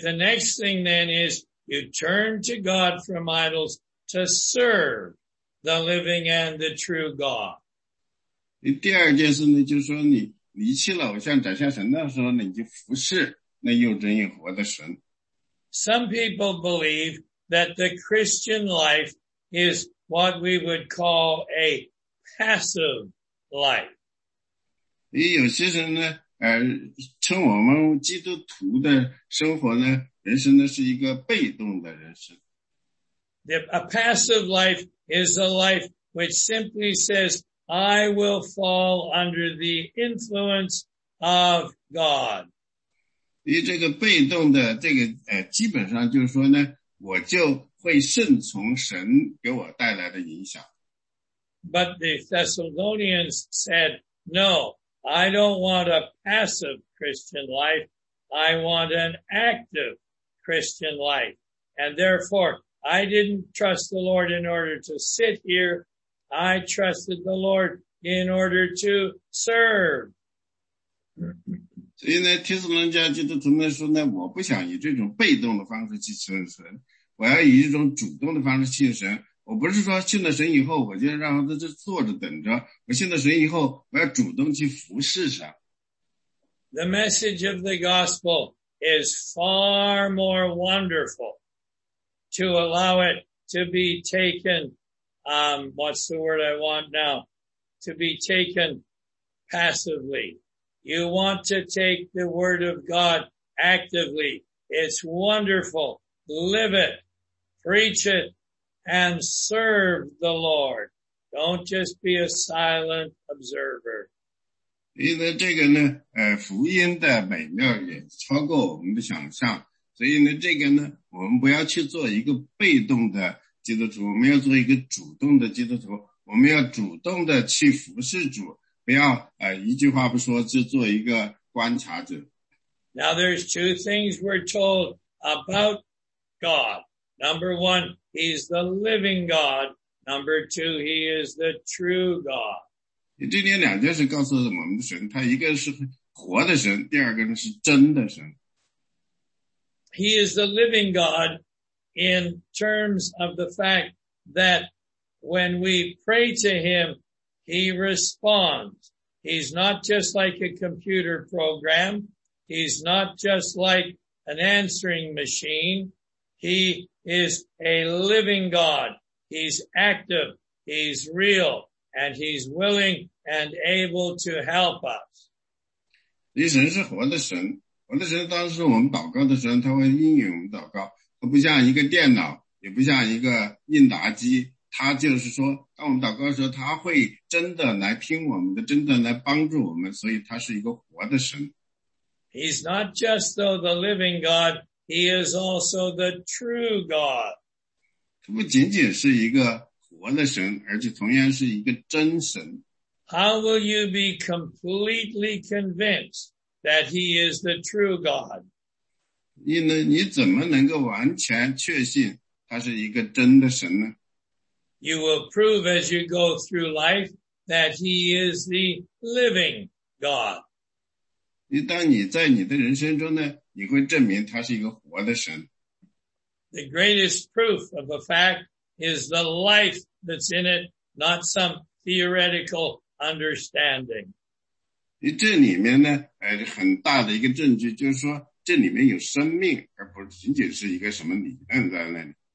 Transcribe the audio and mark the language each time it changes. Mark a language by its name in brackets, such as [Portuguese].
[English] the next thing then is you turn to God from idols to serve the living and the true God. [Chinese] 第二件事呢，就是说你离弃了偶像，转向神的时候呢，你就服侍。 [English] Some people believe that the Christian life is what we would call a passive life. [Chinese] 有些人呢, 称我们基督徒的生活呢，人生呢是一个被动的人生。 [English] A passive life is a life which simply says, I will fall under the influence of God. [Chinese] 以这个被动的这个基本上就是说呢，我就会顺从神给我带来的影响。 [English] But the Thessalonians said, no, I don't want a passive Christian life. I want an active Christian life. And therefore, I didn't trust the Lord in order to sit here. I trusted the Lord in order to serve. [Chinese] 所以呢，提斯伦加基督徒们说呢，我不想以这种被动的方式去信神，我要以这种主动的方式信神。我不是说信了神以后我就让他这坐着等着，我信了神以后我要主动去服侍神。 [English] The message of the gospel is far more wonderful to allow it to be taken, what's the word I want now? To be taken passively. You want to take the word of God actively. It's wonderful. Live it. Preach it. And serve the Lord. Don't just be a silent observer. [Chinese] 因为这个呢，福音的美妙也超过我们的想象。所以呢，这个呢，我们不要去做一个被动的基督徒，我们要做一个主动的基督徒。我们要主动的去服侍主，不要一句话不说，就做一个观察者。 [English] Now there's two things we're told about God. Number one, He's the living God. Number two, He is the true God. [Chinese] 这里两件事告诉我们的神，他一个是活的神，第二个是真的神。 [English] He is the living God in terms of the fact that when we pray to Him, He responds. He's not just like a computer program. He's not just like an answering machine. He is a living God. He's active. He's real. And He's willing and able to help us. [Chinese] 神是活的神。我的神当时我们祷告的时候，他会应允我们祷告。他不像一个电脑，也不像一个应答机。他就是说，当我们祷告的时候，他会真的来听我们的，真的来帮助我们。所以他是一个活的神。 [English] He's not just though the living God, He is also the true God. [Chinese] 他不仅仅是一个活的神，而且同样是一个真神。 [English] How will you be completely convinced? That He is the true God. [Chinese] 你怎么能够完全确信他是一个真的神呢？ [English] You will prove as you go through life that He is the living God. [Chinese] 当你在你的人生中呢，你会证明他是一个活的神。 [English] The greatest proof of a fact is the life that's in it, not some theoretical understanding. [Chinese] 这里面呢，很大的一个证据就是说，这里面有生命，而不仅仅是一个什么理论在那里。